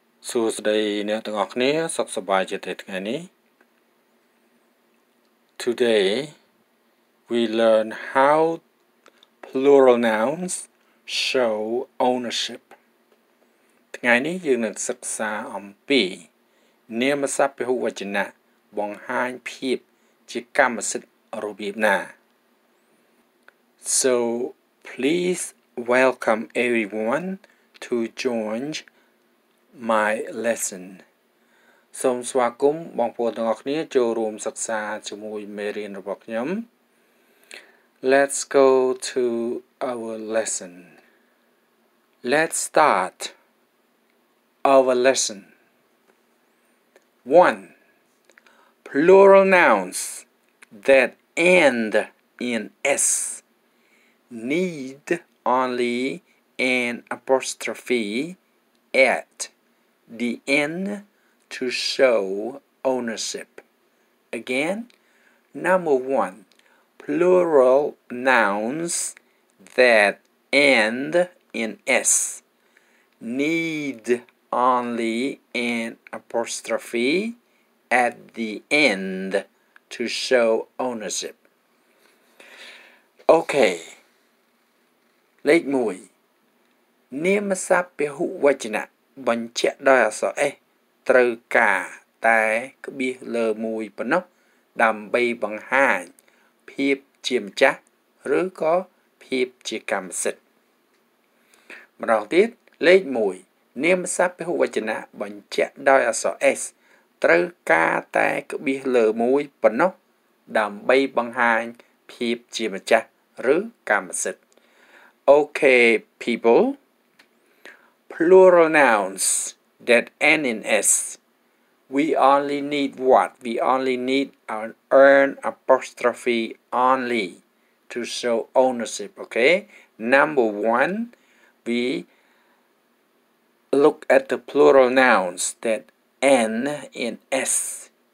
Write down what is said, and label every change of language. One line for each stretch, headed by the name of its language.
Khmer: សួស្តីអ្នកទាំងអស់គ្នាសុខសប្បាយជាទេថ្ងៃនេះ?
English: Today we learn how plural nouns show ownership.
Khmer: ថ្ងៃនេះយើងនឹងសិក្សាអំពីនាមសព្ទពហុវចនៈបង្ហាញភាពជាកម្មសិទ្ធិរបៀបណា.
English: So please welcome everyone to join my lesson.
Khmer: សូមស្វាគមន៍បងប្អូនទាំងអស់គ្នាចូលរួមសិក្សាជាមួយមេរៀនរបស់ខ្ញុំ.
English: Let's go to our lesson. Let's start our lesson. 1. Plural nouns that end in S need only an apostrophe at the end to show ownership. Again, number one, plural nouns that end in S need only an apostrophe at the end to show ownership. Okay.
Khmer: លេខ1នាមសព្ទពហុវចនៈបញ្ជាក់ដោយអក្សរ S ត្រូវការតែក្បៀសលើមួយប៉ុណ្ណោះដើម្បីបង្ហាញភាពជាម្ចាស់ឬក៏ភាពជាកម្មសិទ្ធិម្ដងទៀតលេខ1នាមសព្ទពហុវចនៈបញ្ជាក់ដោយអក្សរ S ត្រូវការតែក្បៀសលើមួយប៉ុណ្ណោះដើម្បីបង្ហាញភាពជាម្ចាស់ឬកម្មសិទ្ធិ
English: Okay, people, plural nouns that end in S, we only need what? We only need an apostrophe only to show ownership, okay? Number one, we look at the plural nouns that end in S.